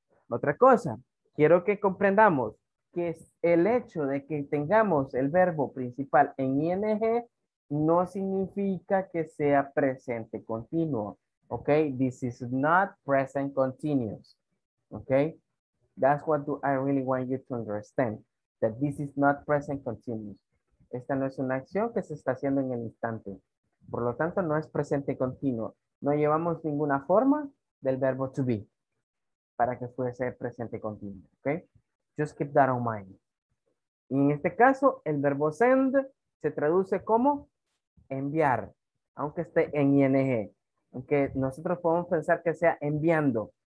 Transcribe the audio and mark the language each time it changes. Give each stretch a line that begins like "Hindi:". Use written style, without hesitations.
Spanish: Otra cosa, quiero que comprendamos que el hecho de que tengamos el verbo principal en ing no significa que sea presente continuo, ¿ok?
English: This is not present continuous, ¿ok? That's what do I really want you to understand, that this is not present continuous.
Spanish: Esta no es una acción que se está haciendo en el instante. Por lo tanto, no es presente continuo. No llevamos ninguna forma del verbo to be para que fuese presente continuo, ¿ok?
English: Just keep that in mind.
Spanish: Y en este caso, el verbo send se traduce como enviar, aunque esté en ing, aunque nosotros podemos pensar que sea enviando.